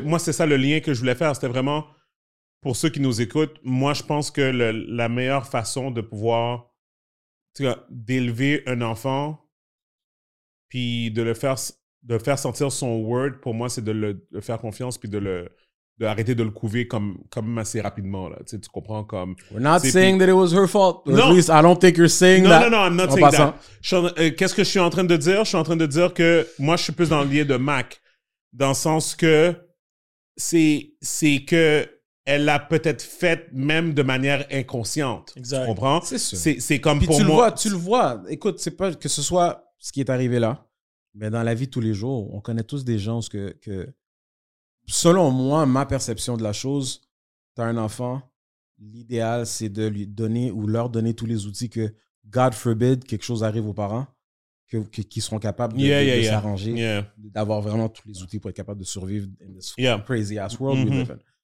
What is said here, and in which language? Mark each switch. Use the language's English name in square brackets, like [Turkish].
[French] Moi, c'est ça le lien que je voulais faire. C'était vraiment, pour ceux qui nous écoutent, moi, je pense que la meilleure façon de pouvoir, tu vois, d'élever un enfant puis de le faire... De faire sentir son word, pour moi, c'est de faire confiance puis de arrêter de le couver comme assez rapidement. Là. Tu comprends comme... [English] We're not saying that it was her fault. No. At least, I don't think you're saying that. No, I'm not saying that. [French] Qu'est-ce que je suis en train de dire? Je suis en train de dire que moi, je suis plus dans le lien de Mac. Dans le sens que c'est que elle l'a peut-être faite même de manière inconsciente. Exact. Tu comprends? C'est sûr. C'est comme puis pour tu moi. Le vois, tu le vois. Écoute, c'est pas que ce soit ce qui est arrivé là, mais dans la vie de tous les jours, on connaît tous des gens que selon moi, ma perception de la chose, t'as un enfant, l'idéal, c'est de lui donner ou leur donner tous les outils que, God forbid, quelque chose arrive aux parents, qu'ils seront capables de s'arranger, d'avoir vraiment tous les outils pour être capables de survivre [English] in this crazy ass world. [French] Mm-hmm.